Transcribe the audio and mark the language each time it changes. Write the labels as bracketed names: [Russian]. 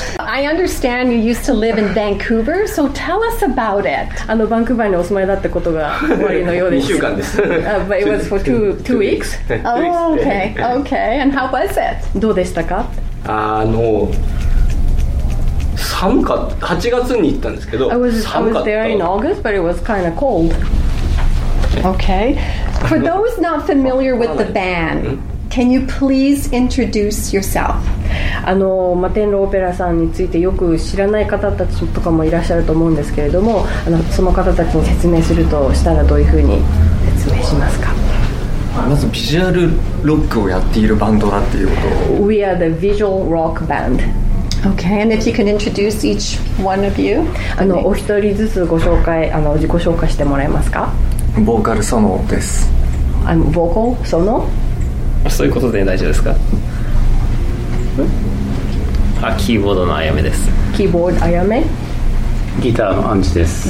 [English] I understand you used to live in Vancouver, so tell us about it. [Japanese] あの、バンクーバーにお住まいだってことが終わりのようです。 2週間です。 [English] But it was for two weeks? Oh, okay. And how was it? [Japanese] どうでしたか？あの、寒かった。 8月に行ったんですけど、寒かった。 [English] I was there in August, but it was kind of cold. Okay. For those not familiar with the band, can you please introduce yourself? [Japanese] あの、マテンロオペラさんについてよく知らない方たちとかもいらっしゃると思うんですけれども、あの、その方たちに説明するとしたらどういうふうに説明しますか？まずビジュアルロックをやっているバンドだっていうことを。 [English] We are the visual rock band. Okay, and if you can introduce each one of you? [Japanese] あの、お一人ずつご紹介、あの、自己紹介してもらえますか？ボーカルソノです。 [English] I'm vocal Sono。 [Japanese] そういうことで大丈夫ですか？あ、キーボードのアヤメです。キーボードアヤメ。ギターのアンジです。